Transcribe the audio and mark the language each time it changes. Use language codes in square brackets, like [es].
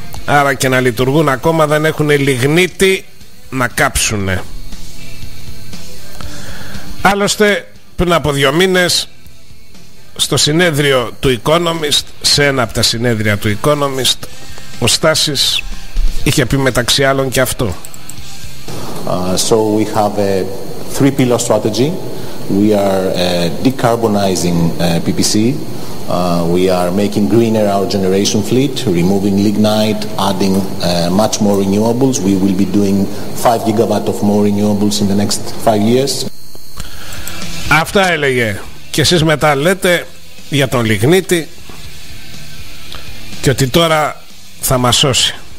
[el] Άρα και να λειτουργούν ακόμα δεν έχουν λιγνίτη να κάψουνε. Άλλωστε πριν από δύο μήνες στο συνέδριο του Economist, σε ένα από τα συνέδρια του Economist, ο Στάσης είχε πει μεταξύ άλλων και αυτό. [en] So we have a three pillar strategy. We are decarbonizing PPC. We are making greener our generation fleet, removing lignite, adding much more renewables. We will be doing 5 gigawatts of more renewables in the next 5 years. [el] Αυτά έλεγε. Και εσείς μετά λέτε για τον λιγνίτη και ότι τώρα θα μας σώσει.